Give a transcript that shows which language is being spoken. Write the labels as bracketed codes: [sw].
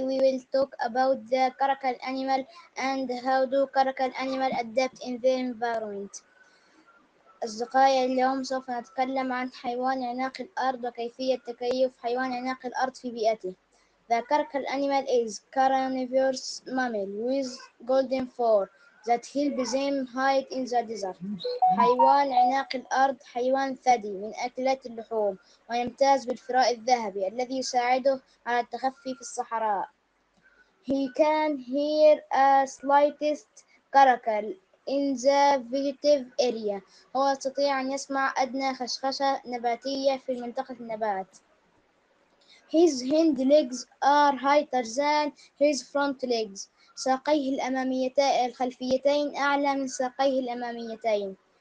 [en] We will talk about the caracal animal and how do caracal animal adapt in the environment. [ar] أصدقائي اليوم سوف نتكلم عن حيوان عناق الأرض وكيفية تكيف حيوان عناق الأرض في بيئته. [en] The caracal animal is carnivorous mammal with golden fur that help them hide in the desert. [ar] حيوان عناق الأرض حيوان ثدي من أكلات اللحوم ويمتاز بالفراء الذهبي الذي يساعده على التخفي في الصحراء. [en] He can hear a slightest caracal in the vegetative area. [ar] هو يستطيع أن يسمع أدنى خشخشة نباتية في منطقة النبات. [en] His hind legs are higher than his front legs. [ar] ساقيه الخلفيتين أعلى من ساقيه الأماميتين.